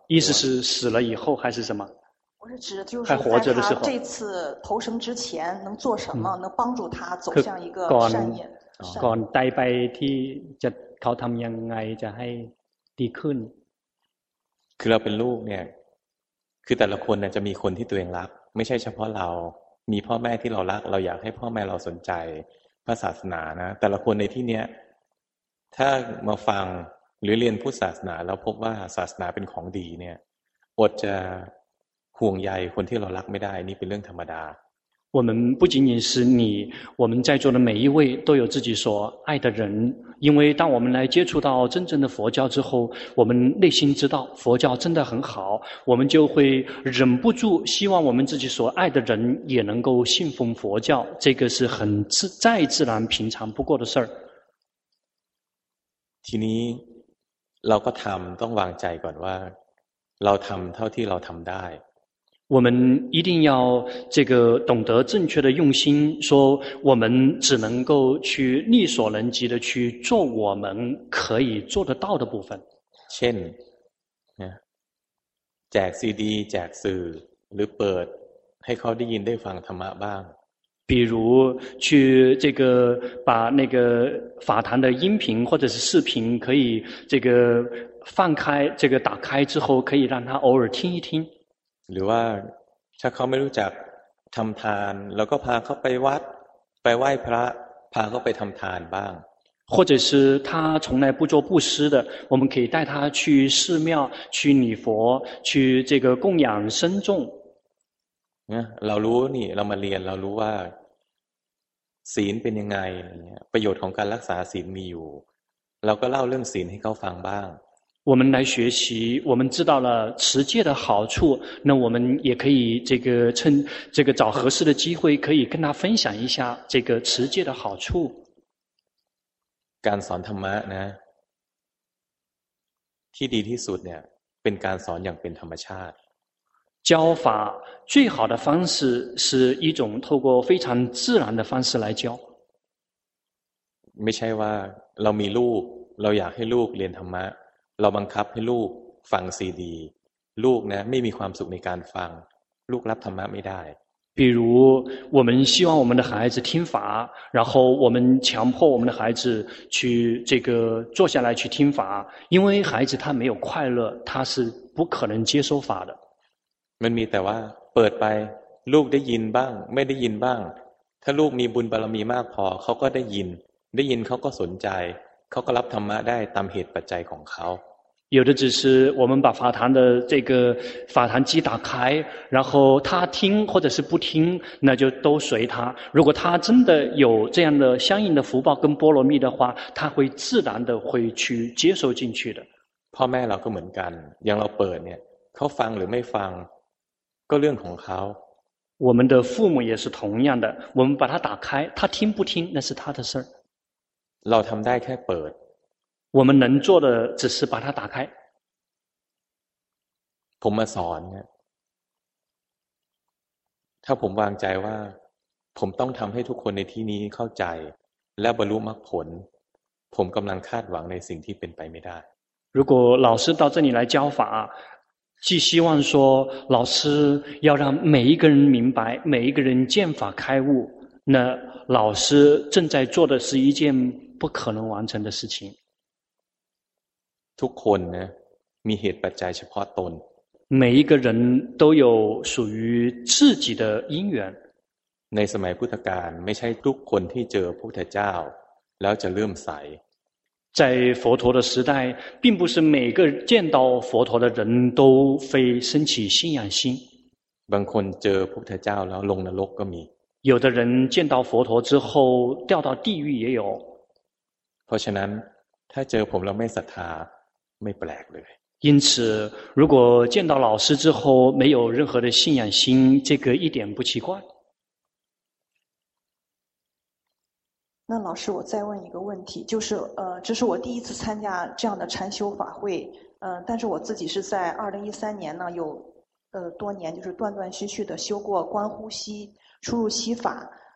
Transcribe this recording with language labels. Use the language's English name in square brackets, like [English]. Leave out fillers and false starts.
[Chinese] 意思是死了以后还是什么我是指就是在他这次投生之前能做什么能帮助他走向一个善业 [Thai] ก่อนตายไปที่จะเขาทำยังไงจะให้ดีขึ้น คือเราเป็นลูกเนี่ยคือแต่ละคนเนี่ยจะมีคนที่ตัวเองรักไม่ใช่เฉพาะเรามีพ่อแม่ที่เรารักเราอยากให้พ่อแม่เราสนใจพระศาสนานะแต่ละคนในที่เนี้ยถ้ามาฟังหรือเรียนพุทธศาสนาแล้วพบว่าศาสนาเป็นของดีเนี่ยอดจะห่วงใยคนที่เรารักไม่ได้นี่เป็นเรื่องธรรมดา [Chinese] 我们不仅仅是你我们在座的每一位都有自己所爱的人因为当我们来接触到真正的佛教之后我们内心知道佛教真的很好我们就会忍不住希望我们自己所爱的人也能够信奉佛教这个是很再自然平常不过的事儿 [Thai] ทีนี้เราก็ทำต้องวางใจก่อนว่าเราทำเท่าที่เราทำได้ [Chinese] 我们一定要这个懂得正确的用心说我们只能够去力所能及的去做我们可以做得到的部分 [Thai] เช่นแจกซีดีแจกสื่อหรือเปิดให้เขาได้ยินได้ฟังธรรมะบ้าง [Chinese] 比如去这个把那个法坛的音频或者是视频可以这个放开这个打开之后可以让他偶尔听一听 [Thai] หรือว่าถ้าเขาไม่รู้จักทำทานแล้วก็พาเขาไปวัดไปไหว้พระพาเขาไปทำทานบ้าง [Chinese] 或者是他从来不做布施的我们可以带他去寺庙去礼佛去这个供养僧众 [Thai] เรารู้นี่เรามาเรียนเรารู้ว่าศีลเป็นยังไงประโยชน์ของการรักษาศีลมีอยู่เราก็เล่าเรื่องศีลให้เขาฟังบ้าง [Chinese] 我们来学习我们知道了持戒的好处那我们也可以这个趁这个找合适的机会可以跟他分享一下这个持戒的好处 [Thai] การสอนธรรมะนะที่ดีที่สุดเนี่ยเป็นการสอนอย่างเป็นธรรมชาติ [Chinese] 教法最好的方式是一种透过非常自然的方式来教 [Thai] ไม่ใช่ว่าเรามีลูกเราอยากให้ลูกเรียนธรรมะเราบังคับให้ลูกฟังซีดีลูกนะไม่มีความสุขในการฟังลูกรับธรรมะไม่ได้ [Chinese] 比如我们希望我们的孩子听法然后我们强迫我们的孩子去这个坐下来去听法因为孩子他没有快乐他是不可能接受法的 [Thai] มันมีแต่ว่าเปิดไปลูกได้ยินบ้างไม่ได้ยินบ้างถ้าลูกมีบุญบารมีมากพอเขาก็ได้ยินได้ยินเขาก็สนใจเขาก็รับธรรมะได้ตามเหตุปัจจัยของเขา [Chinese] 有的只是我们把法坛的这个法坛机打开然后他听或者是不听那就都随他如果他真的有这样的相应的福报跟波罗蜜的话他会自然的会去接受进去的 [Thai] พ่อแม่เราก็เหมือนกันอย่างเราเปิดเนี่ยเขาฟังหรือไม่ฟังก็เรื่องของเขา [Chinese] 我们的父母也是同样的我们把它打开他听不听那是他的事 [Thai] เราทำได้แค่เปิด [Chinese] 我们能做的只是把它打开 [Thai] ผมมาสอนเนี่ยถ้าผมวางใจว่าผมต้องทำให้ทุกคนในที่นี้เข้าใจและบรรลุมรรคผลผมกำลังคาดหวังในสิ่งที่เป็นไปไม่ได้ [Chinese] 如果老师到这里来教法既希望说老师要让每一个人明白每一个人见法开悟那老师正在做的是一件不可能完成的事情 [Thai] ทุกคนนะมีเหตุปัจจัยเฉพาะตน [Chinese] 每一个人都有属于自己的因缘 [Thai] ในสมัยพุทธกาลไม่ใช่ทุกคนที่เจอพุทธเจ้าแล้วจะเริ่มใส [Chinese] 在佛陀的时代并不是每个见到佛陀的人都会升起信仰心 [Thai] บางคนเจอพุทธเจ้าแล้วลงนรกก็มี [Chinese] 有的人见到佛陀之后掉到地狱也有 [Thai] เพราะฉะนั้นถ้าเจอผมแล้วไม่ศรัทธาไม่แปลกเลย [Chinese] 因此如果见到老师之后没有任何的信仰心这个一点不奇怪那老师我再问一个问题就是这是我第一次参加这样的禅修法会但是我自己是在2013年呢有多年就是断断续续的修过观呼吸出入息法